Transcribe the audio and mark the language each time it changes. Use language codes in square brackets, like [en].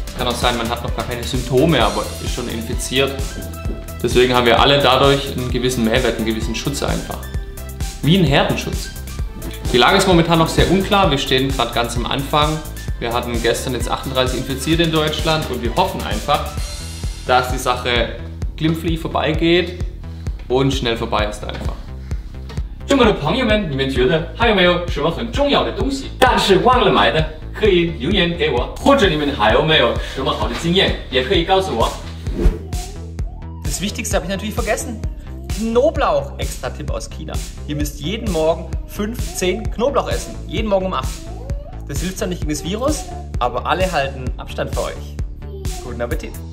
[de] Kann auch sein, man hat noch gar keine Symptome, aber ist schon infiziert. Deswegen haben wir alle dadurch einen gewissen Mehrwert, einen gewissen Schutz einfach. Wie ein Herdenschutz. Die Lage ist momentan noch sehr unklar. Wir stehen gerade ganz am Anfang. Wir hatten gestern jetzt 38 Infizierte in Deutschland und wir hoffen einfach, dass die Sache glimpflich vorbeigeht und schnell vorbei ist einfach. [zh] 中国的朋友们，你们觉得还有没有什么很重要的东西，但是忘了买的，可以留言给我，或者你们还有没有什么好的经验，也可以告诉我。 [de] Das Wichtigste habe ich natürlich vergessen. Knoblauch, extra Tipp aus China. Ihr müsst jeden Morgen 5-10 Knoblauch essen. Jeden Morgen um 8. Das hilft zwar nicht gegen das Virus, aber alle halten Abstand für euch. Guten Appetit!